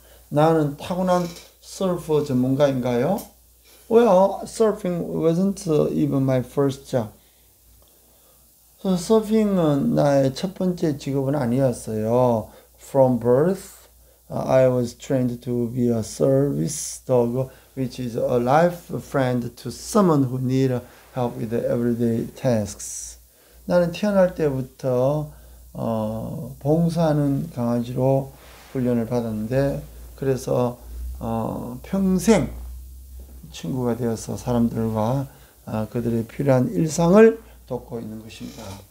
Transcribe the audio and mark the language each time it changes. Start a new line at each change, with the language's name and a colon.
Korean: 나는 타고난 서퍼 전문가인가요?
English: Well, surfing wasn't even my first job.
Korean: 서핑은 나의 첫 번째 직업은 아니었어요.
English: From birth, I was trained to be a service dog, which is a life friend to someone who needs help with everyday tasks.
Korean: 나는 태어날 때부터 봉사하는 강아지로 훈련을 받았는데, 그래서 평생 친구가 되어서 사람들과 그들의 필요한 일상을 돕고 있는 것입니다.